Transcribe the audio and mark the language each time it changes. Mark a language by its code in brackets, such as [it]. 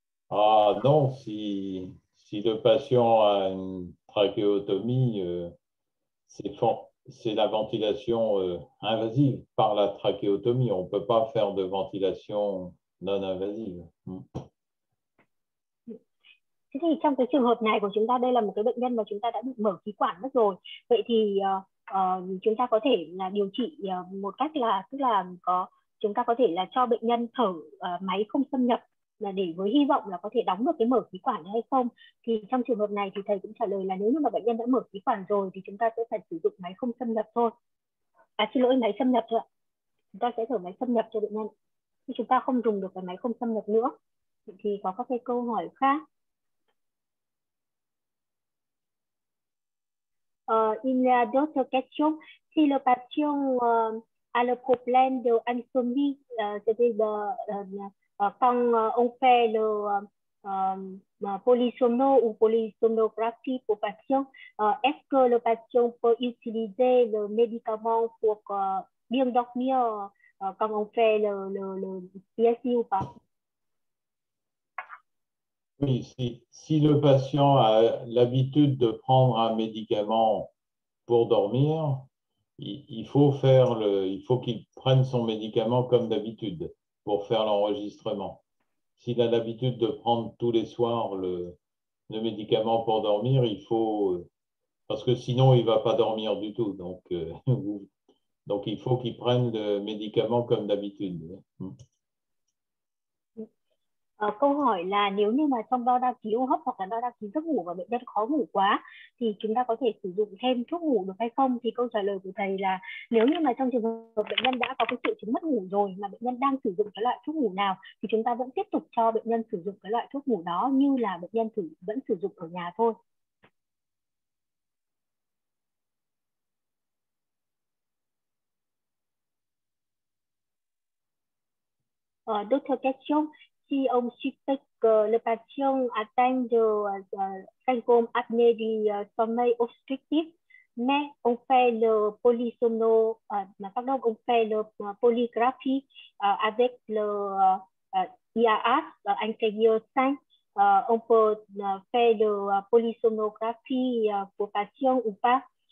[fr] Ah non, si le patient a une trachéotomie, c'est la ventilation invasive par la trachéotomie. On ne peut pas faire de ventilation non invasive. [vi] Thế thì trong cái trường hợp này của chúng ta, đây là một cái bệnh nhân mà chúng ta đã bị mở khí quản mất rồi. Vậy thì chúng ta có thể là điều trị một cách là, tức là có, chúng ta có thể là cho bệnh nhân thở máy không xâm nhập, là để với hy vọng là có thể đóng được cái mở khí quản hay không. Thì trong trường hợp này thì thầy cũng trả lời là nếu như mà bệnh nhân đã mở khí quản rồi thì chúng ta sẽ phải sử dụng máy không xâm nhập thôi. À xin lỗi, máy xâm nhập thôi ạ. Chúng ta sẽ thở máy xâm nhập cho bệnh nhân. Thì chúng ta không dùng được cái máy không xâm nhập nữa. Thì có các cái câu hỏi khác. [en] In the doctor question, [fr] si le patient a le problème de insomnie, c'est-à-dire quand on fait le polysomno ou polysomnographie pour patient, est-ce que le patient peut utiliser le médicament pour bien dormir quand on fait le PSI ou pas? Oui, si le patient a l'habitude de prendre un médicament pour dormir, il faut qu'il prenne son médicament comme d'habitude pour faire l'enregistrement. S'il a l'habitude de prendre tous les soirs le médicament pour dormir, il faut, parce que sinon il va pas dormir du tout. Donc il faut qu'il prenne le médicament comme d'habitude. [vi] Câu hỏi là nếu như mà trong đo đạc khí hô hấp hoặc là đo đạc khí giấc ngủ và bệnh nhân khó ngủ quá thì chúng ta có thể sử dụng thêm thuốc ngủ được hay không? Thì câu trả lời của thầy là nếu như mà trong trường hợp bệnh nhân đã có cái triệu chứng mất ngủ rồi mà bệnh nhân đang sử dụng cái loại thuốc ngủ nào thì chúng ta vẫn tiếp tục cho bệnh nhân sử dụng cái loại thuốc ngủ đó như là bệnh nhân vẫn sử dụng ở nhà thôi. [en] Doctor question. [fr] Si on suspecte que le patient atteint le syndrome apnée du sommeil obstructif, mais on fait le polysomno, pardon, on fait le polygraphie avec le IAS intérieur 5, on peut faire le polysomnographie pour patient ou pas.